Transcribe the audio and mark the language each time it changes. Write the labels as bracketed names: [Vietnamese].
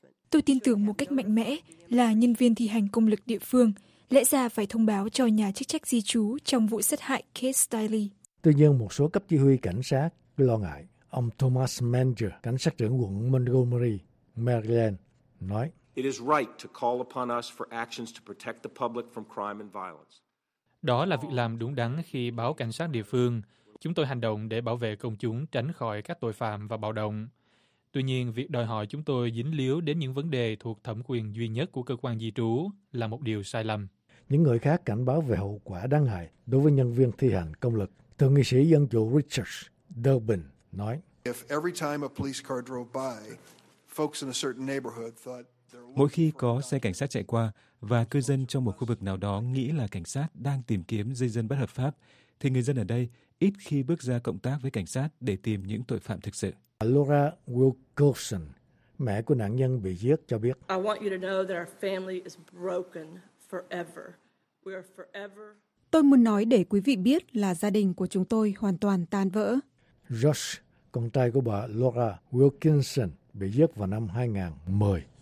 [Vietnamese] "Tôi tin tưởng một cách mạnh mẽ là nhân viên thi hành công lực địa phương lẽ ra phải thông báo cho nhà chức trách di trú trong vụ sát hại Kate Stiley." Tuy nhiên, một số cấp chỉ huy cảnh sát lo ngại. Ông Thomas Manger, cảnh sát trưởng quận Montgomery, Maryland, nói: [English] "It is right to call upon us for actions to protect the public from crime and violence." [Vietnamese] Đó là việc làm đúng đắn khi báo cảnh sát địa phương: "Chúng tôi hành động để bảo vệ công chúng tránh khỏi các tội phạm và bạo động." Tuy nhiên, việc đòi hỏi chúng tôi dính líu đến những vấn đề thuộc thẩm quyền duy nhất của cơ quan di trú là một điều sai lầm. Những người khác cảnh báo về hậu quả đáng ngại đối với nhân viên thi hành công lực. Thượng nghị sĩ Dân Chủ Richard Durbin nói: [English] "If every time a police car drove by, folks in a certain neighborhood thought..." [Vietnamese] Mỗi khi có xe cảnh sát chạy qua và cư dân trong một khu vực nào đó nghĩ là cảnh sát đang tìm kiếm di dân bất hợp pháp, thì người dân ở đây ít khi bước ra cộng tác với cảnh sát để tìm những tội phạm thực sự. Laura Wilkerson, mẹ của nạn nhân bị giết, cho biết: [English] "I want you to know that our family is broken forever. We are forever..." [Vietnamese] Tôi muốn nói để quý vị biết là gia đình của chúng tôi hoàn toàn tan vỡ. Josh, con trai của bà Laura Wilkinson, bị giết vào năm 2010.